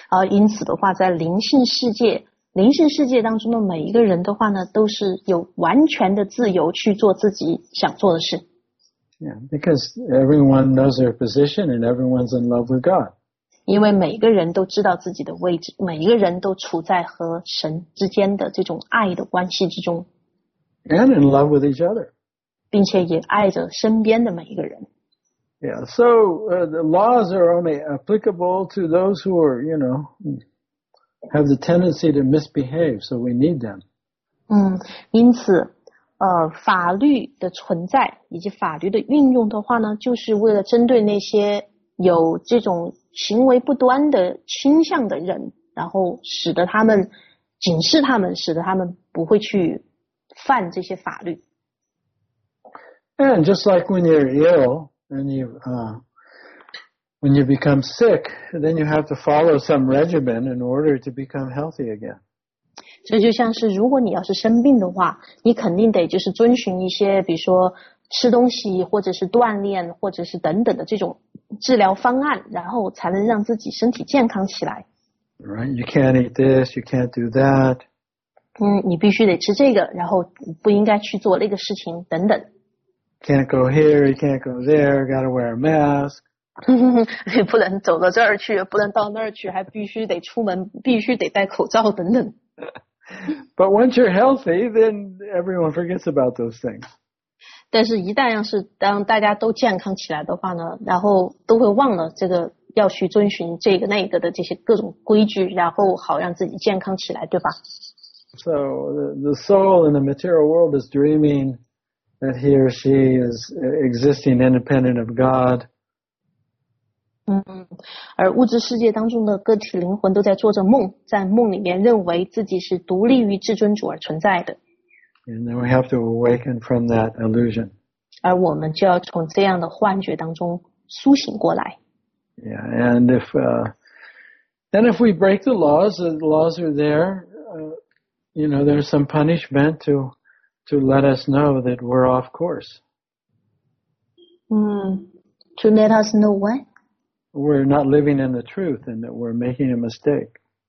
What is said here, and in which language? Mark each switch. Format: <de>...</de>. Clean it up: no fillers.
<zh>因此的话，在灵性世界当中的每一个人的话呢，都是有完全的自由去做自己想做的事。</zh> <en>Yeah, because everyone knows their position and everyone's in love with God.</en> <zh>因为每个人都知道自己的位置，每一个人都处在和神之间的这种爱的关系之中。</zh> <en>And in love with each other.</en> <zh>并且也爱着身边的每一个人。</zh> <en>Yeah, so the laws are only applicable to those who are, you know, have the tendency to misbehave, so we need them.</en> <zh>因此法律的存在以及法律的运用的话呢，就是为了针对那些有这种行为不端的倾向的人，然后使得他们警示他们，使得他们不会去犯这些法律。</zh> <en>And just like when you're ill and you when you become sick, then you have to follow some regimen in order to become healthy again.</en> <zh>所以就像是如果你要是生病的话，你肯定得就是遵循一些比如说吃东西或者是锻炼或者是等等的这种治疗方案，然后才能让自己身体健康起来。</zh> <en>Right, you can't eat this, you can't do that.</en> <zh>你必须得吃这个，然后不应该去做那个事情等等。</zh> <en>Can't go here, you can't go there, gotta wear a mask.</en> <zh>你不能走到这儿去，不能到那儿去，还必须得出门，必须得戴口罩等等。</zh> <en>But once you're healthy, then everyone forgets about those things.</en> <zh>但是一旦要是当大家都健康起来的话呢，然后都会忘了这个要去遵循这个那个的这些各种规矩，然后好让自己健康起来，对吧？</zh> <en>So the soul in the material world is dreaming that he or she is existing independent of God.</en> <zh>而物质世界当中的个体灵魂都在做着梦，在梦里面认为自己是独立于至尊主而存在的。</zh> <en>And then we have to awaken from that illusion.</en> <zh>而我们就要从这样的幻觉当中苏醒过来。</zh> <en>Yeah, and if, then if we break the laws are there, you know, there's some punishment to let us know that we're off course. To let us know what? We're not living in the truth and that we're making a mistake.</en>